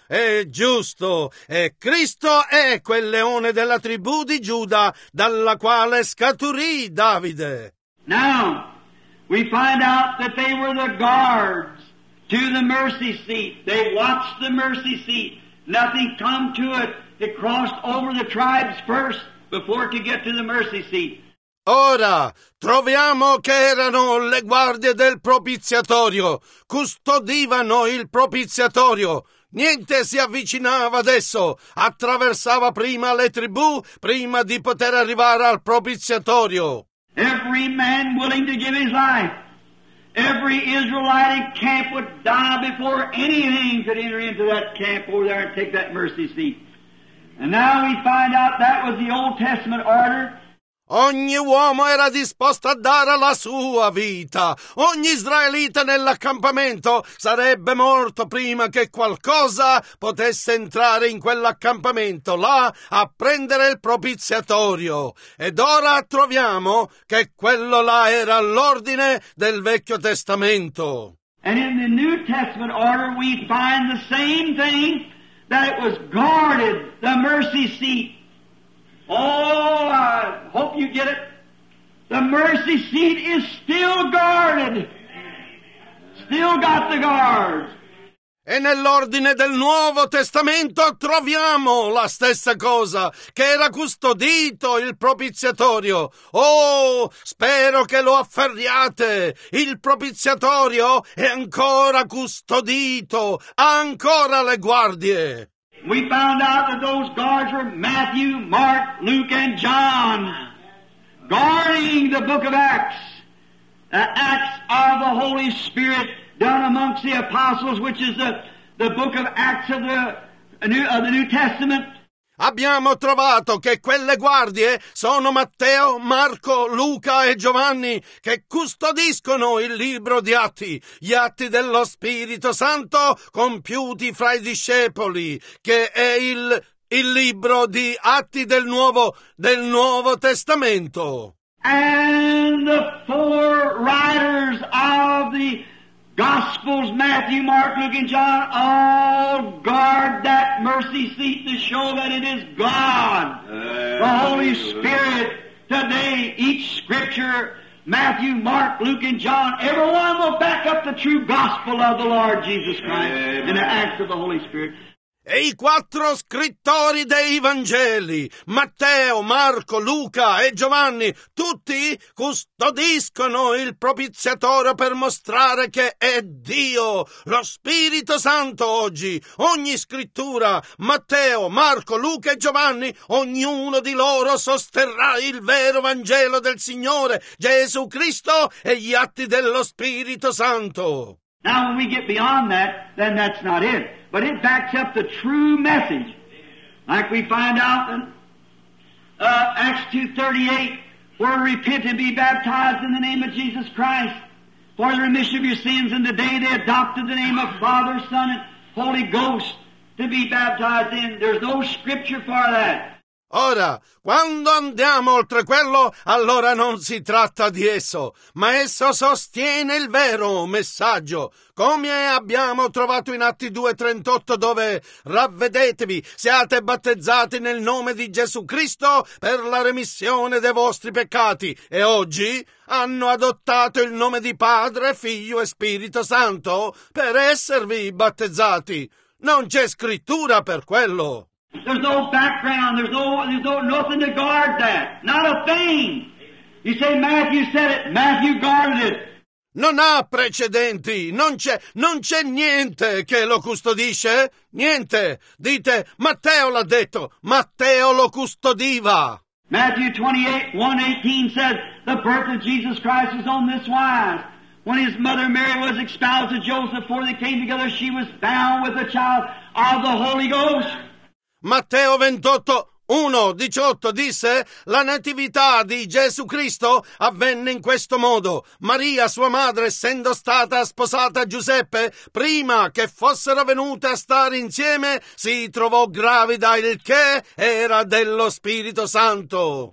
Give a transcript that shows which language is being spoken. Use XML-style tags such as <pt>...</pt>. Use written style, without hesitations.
<it>È giusto. E Cristo è quel leone della tribù di Giuda dalla quale scaturì Davide.</it> <en>Now, we find out that they were the guards to the mercy seat. They watched the mercy seat. Nothing come to it. It crossed over the tribes first before it could get to the mercy seat.</en> <it>Ora, troviamo che erano le guardie del propiziatorio. Custodivano il propiziatorio. Niente si avvicinava adesso. Attraversava prima le tribù, prima di poter arrivare al propiziatorio.</it> <en>Every man willing to give his life. Every Israelite camp would die before anything could enter into that camp over there and take that mercy seat. And now we find out that was the Old Testament order.</en> <it>Ogni uomo era disposto a dare la sua vita. Ogni israelita nell'accampamento sarebbe morto prima che qualcosa potesse entrare in quell'accampamento, là a prendere il propiziatorio. Ed ora troviamo che quello là era l'ordine del Vecchio Testamento.</it> <en>And in the New Testament order we find the same thing, that it was guarded, the mercy seat. Oh, I hope you get it. The mercy seat is still guarded. Still got the guards.</en> <it>E nell'ordine del Nuovo Testamento troviamo la stessa cosa, che era custodito il propiziatorio. Oh, spero che lo afferriate. Il propiziatorio è ancora custodito. Ha ancora le guardie.</it> <en>We found out that those guards were Matthew, Mark, Luke, and John, guarding the book of Acts, the Acts of the Holy Spirit done amongst the apostles, which is the book of Acts of the New Testament.</en> <it>Abbiamo trovato che quelle guardie sono Matteo, Marco, Luca e Giovanni, che custodiscono il libro di Atti, gli atti dello Spirito Santo compiuti fra i discepoli, che è il libro di Atti del Nuovo Testamento.</it> <en>And the four writers of the Gospels, Matthew, Mark, Luke, and John, all guard that mercy seat to show that it is God, the Holy Spirit. Today, each scripture, Matthew, Mark, Luke, and John, everyone will back up the true gospel of the Lord Jesus Christ in the acts of the Holy Spirit.</en> <it>E i quattro scrittori dei Vangeli, Matteo, Marco, Luca e Giovanni, tutti custodiscono il propiziatorio per mostrare che è Dio, lo Spirito Santo oggi. Ogni scrittura, Matteo, Marco, Luca e Giovanni, ognuno di loro sosterrà il vero Vangelo del Signore, Gesù Cristo e gli atti dello Spirito Santo.</it> <en>Now when we get beyond that, then that's not it. But it backs up the true message. Like we find out in Acts 2:38, where repent and be baptized in the name of Jesus Christ for the remission of your sins. And today they adopted the name of Father, Son, and Holy Ghost to be baptized in. There's no scripture for that.</en> <it>Ora, quando andiamo oltre quello, allora non si tratta di esso, ma esso sostiene il vero messaggio, come abbiamo trovato in Atti 2:38, dove ravvedetevi, siate battezzati nel nome di Gesù Cristo per la remissione dei vostri peccati, e oggi hanno adottato il nome di Padre, Figlio e Spirito Santo per esservi battezzati. Non c'è scrittura per quello.</it> <en>There's no background, there's no nothing to guard that. Not a thing. You say Matthew said it, Matthew guarded it.</en> <it>Non ha precedenti, non c'è niente che lo custodisce, niente. Dite, Matteo l'ha detto, Matteo lo custodiva.</it> <en>Matthew 28:1-18 says, the birth of Jesus Christ is on this wise. When his mother Mary was espoused to Joseph, before they came together, she was bound with a child of the Holy Ghost.</en> <it>Matteo 28:1-18 disse, la natività di Gesù Cristo avvenne in questo modo. Maria, sua madre, essendo stata sposata a Giuseppe, prima che fossero venute a stare insieme, si trovò gravida, il che era dello Spirito Santo.</it>